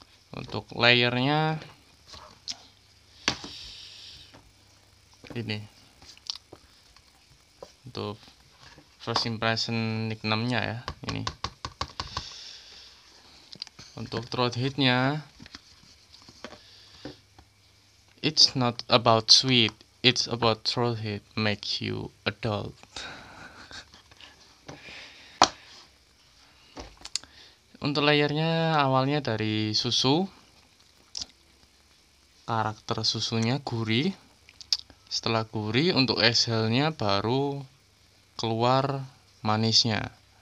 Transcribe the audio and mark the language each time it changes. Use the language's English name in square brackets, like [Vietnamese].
[Indonesian] Untuk layernya ini, untuk first impression nicknamenya ya ini. Untuk throat hitnya, [English] it's not about sweet, it's about throat hit make you adult. [Indonesian] Untuk layernya awalnya dari susu, karakter susunya gurih. Setelah gurih, untuk exhale-nya baru keluar manisnya.